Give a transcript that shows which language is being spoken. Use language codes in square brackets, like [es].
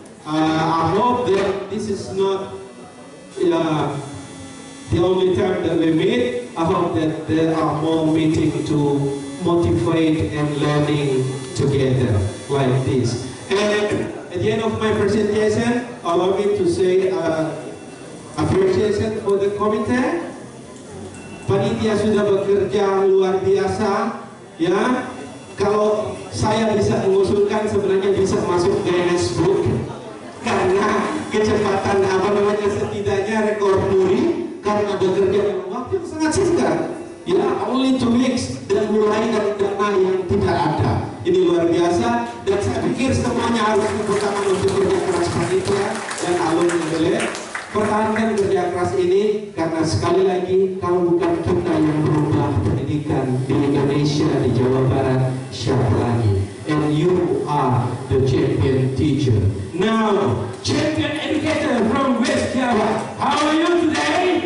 [en] I hope that this is not the only time that we meet. I hope that there are more meetings to motivate and learning together like this. And at the end of my presentation, allow me to say appreciation for the committee. [id] Panitia sudah bekerja luar biasa, ya. Kalau saya bisa mengusulkan, sebenarnya bisa masuk Guinness Book karena kecepatan apa namanya, setidaknya rekor muri karena bekerja dalam waktu yang sangat singkat, ya, [en] only 2 weeks, [id] dan mulai dari dana yang tidak ada. Ini luar biasa, dan saya pikir semuanya harus berpengaruh untuk kerja keras panitia dan alumni boleh pertahankan kerja keras ini, karena sekali lagi, kalau bukan kita yang berubah pendidikan di Indonesia, di Jawa Barat, siapa lagi? [en] And you are the champion teacher. Now, champion educator from West Java, how are you today?